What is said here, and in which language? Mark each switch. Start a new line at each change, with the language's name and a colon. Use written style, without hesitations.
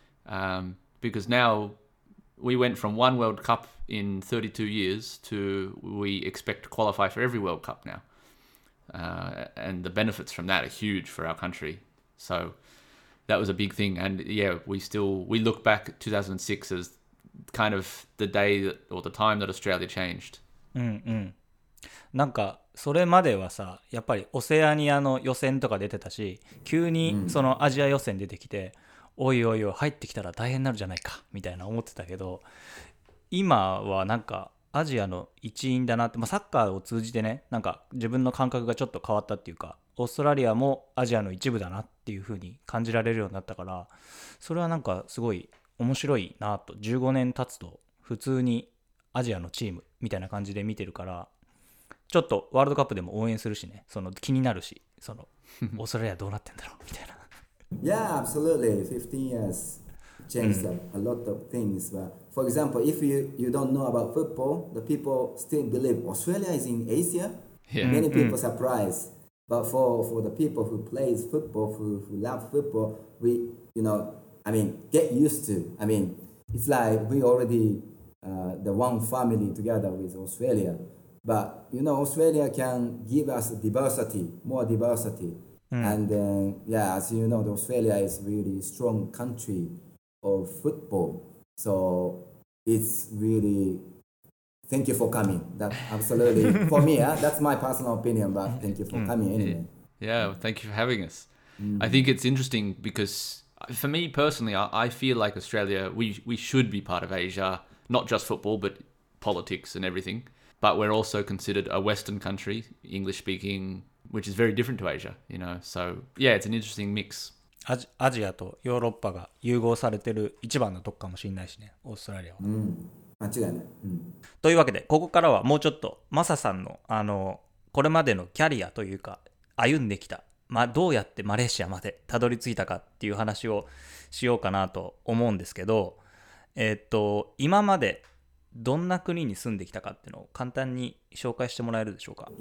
English: Because now... We went from one World Cup in 32 years to we expect to qualify for every World Cup now. And the benefits from that are huge for our country. So that was a big thing. And yeah, we look back at 2006 as kind of the day that, or the time that Australia changed.
Japanese: なんかそれまではさ、やっぱりオセアニアの予選とか出てたし、急にそのアジア予選出てきて、おいおいおい入ってきたら大変になるじゃないかみたいな思ってたけど、今はなんかアジアの一員だなって、まあ、サッカーを通じてね、なんか自分の感覚がちょっと変わったっていうか、オーストラリアもアジアの一部だなっていう風に感じられるようになったから、それはなんかすごい面白いなと。 15年経つと普通にアジアのチームみたいな感じで見てるから、ちょっとワールドカップでも応援するしね、その気になるし、そのオーストラリアどうなってんだろうみたいな。
English: Yeah, absolutely. 15 years changed a lot of things. But for example, if you don't know about football, the people still believe Australia is in Asia. Yeah. Many people surprised. But for the people who plays football, who love football, we, you know, I mean, get used to. I mean, it's like we already the one family together with Australia. But, you know, Australia can give us diversity, more diversity. And yeah, as you know, Australia is really strong country of football. So it's really, thank you for coming. That absolutely, for me, that's my personal opinion, but thank you for coming anyway. Yeah, well, thank you for having us. I think it's interesting because for me personally, I feel like Australia, we should be part of Asia, not just football, but politics and everything. But we're also considered a Western country, English speaking,which is very different to Asia, you know. So, yeah, it's an interesting mix.
Japanese: アジアとヨーロッパが融合されてる一番のとこかもしれないしね、オーストラリアは。間違いない。というわけで、ここからはもうちょっと、マサさんの、これまでのキャリアというか、歩んできた、どうやってマレーシアまでたどり着いたかっていう話をしようかなと思うんですけど、今までどんな国に住んできたかっていうのを簡単に紹介してもらえるでしょうか。